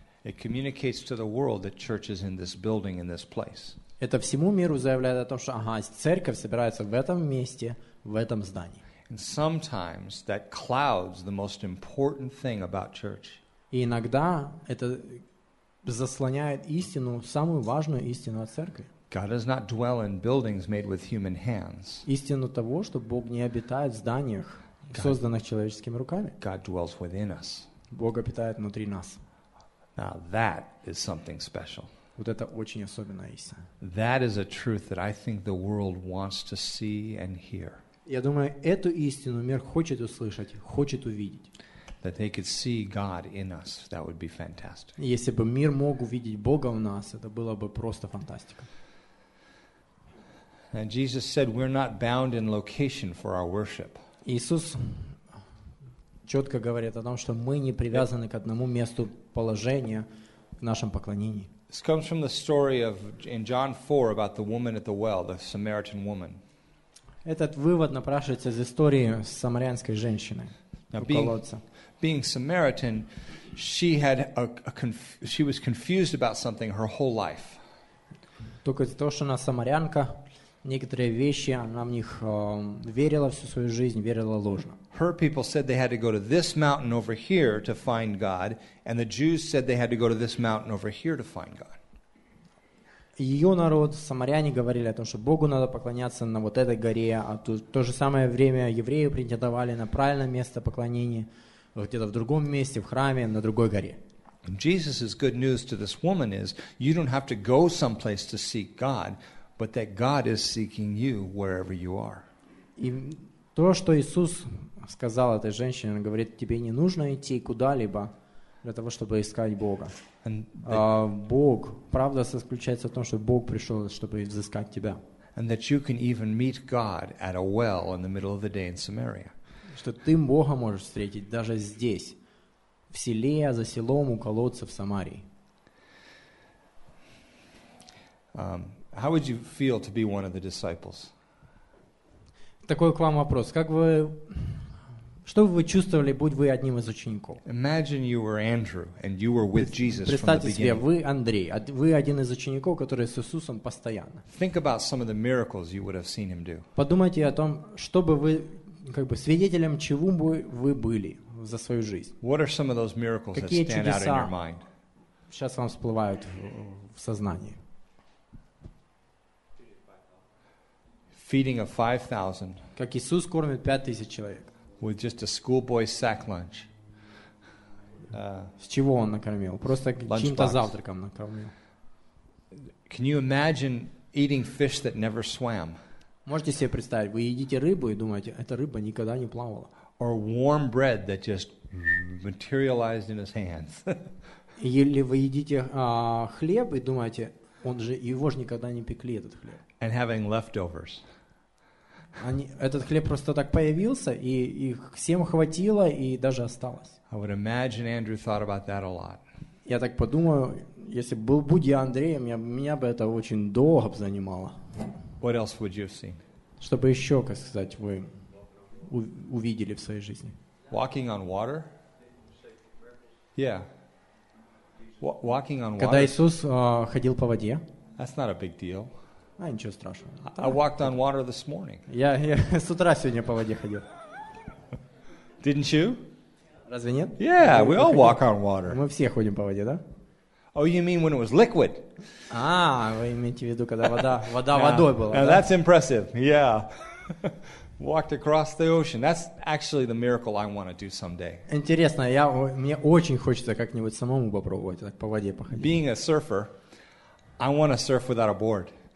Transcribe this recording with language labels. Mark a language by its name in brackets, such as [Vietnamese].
[English] It communicates to the world that church is in this building, in this place. [Russian] Это всему миру заявляет о том, что ага, церковь собирается в этом месте, в этом здании. [English] And sometimes that clouds the most important thing about church. [Russian] И иногда это заслоняет истину, самую важную истину о церкви. [English] God does not dwell in buildings made with human hands. [Russian] Истину того, что Бог не обитает в зданиях, созданных человеческими руками. [English] God dwells within us. [Russian] Бог обитает внутри нас. [English] Now that is something special. [Russian] Вот это очень особенная истина. [English] That is a truth that I think the world wants to see and hear. [Russian] Я думаю, эту истину мир хочет услышать, хочет увидеть. [English] That they could see God in us, that would be fantastic. [Russian] Если бы мир мог увидеть Бога в нас, это было бы просто фантастика. [English] And Jesus said, "We're not bound in location for our worship." [Russian] Иисус четко говорит о том, что мы не привязаны к одному месту положения в нашем поклонении. [English] This comes from the story of in John 4 about the woman at the well, the Samaritan woman. [Russian] Этот вывод напрашивается из истории с самарянской женщиной у колодца. [English] Being Samaritan, she had she was confused about something her whole life. [Russian] Только из-за того, что она самарянка, некоторые вещи она в них верила всю свою жизнь, верила ложно. [English] Her people said they had to go to this mountain over here to find God, and the Jews said they had to go to this mountain over here to find God. [Russian] Ее народ, самаряне, говорили о том, что Богу надо поклоняться на вот этой горе, а тут в то же самое время евреи претендовали на правильное место поклонения где-то в другом месте, в храме, на другой горе. [English] Jesus' good news to this woman is you don't have to go someplace to seek God, but that God is seeking you wherever you are. [Russian] И то, что Иисус сказал этой женщине, он говорит, тебе не нужно идти куда-либо для того, чтобы искать Бога. Бог, правда заключается в том, что Бог пришел, чтобы изыскать тебя. [English] And that you can even meet God at a well in the middle of the day in Samaria. [Russian] Что ты Бога можешь встретить даже здесь, в селе, за селом, у колодца в Самарии. [English] How would you feel to be one of the disciples? [Russian] Такой к вам вопрос. Как вы... Что бы вы чувствовали, будь вы одним из учеников? [English] Imagine you were Andrew and you were with Jesus from [Russian] Представьте себе, вы Андрей, вы один из учеников, который с Иисусом постоянно. [English] Think about some of the miracles you would have seen him do. [Russian] Подумайте о том, что бы вы как бы свидетелем чего бы вы были за свою жизнь? [English] What are some of those miracles [Russian] Какие [English] that stand out in your mind? [Russian] Сейчас вам всплывают в сознании. [English] Feeding of 5,000. [Russian] Как Иисус кормит 5,000 человек. [English] With just a schoolboy sack lunch. [Russian] С чего он накормил? Просто чем-то завтраком накормил. [English] Can you imagine eating fish that never swam? [Russian] Можете себе представить, вы едите рыбу и думаете, эта рыба никогда не плавала. [English] Or warm bread that just materialized in his hands. [Russian] Или вы едите хлеб и думаете, он же его же никогда не пекли этот хлеб. [English] And having leftovers. [Russian] Этот хлеб просто так появился, и их всем хватило, и даже осталось. [English] I would imagine Andrew thought about that a lot. [Russian] Я так подумаю, если бы будь я Андреем, меня бы это очень долго бы занимало. [English] What else would you have seen? [Russian] Чтобы еще, как сказать, вы увидели в своей жизни. [English] Walking on water? Yeah. Walking on water? [Russian] Когда Иисус ходил по воде. [English] That's not a big deal. [Russian] А ничего страшного. [English] I walked on water this morning. [Russian] Я с утра сегодня по воде ходил. [English] Didn't you? [Russian] Разве нет? [English] Yeah, we all walk on water. [Russian] Мы все ходим по воде, да? [English] Oh, you mean when it was liquid? [Russian] А, вы имеете в виду, когда вода водой была, да? [English] Now that's impressive. Yeah. Walked across the ocean. That's actually the miracle I want to do someday. [Russian] Интересно, мне очень хочется как-нибудь самому попробовать так по воде походить. [English] Being a surfer, I want to surf without a board.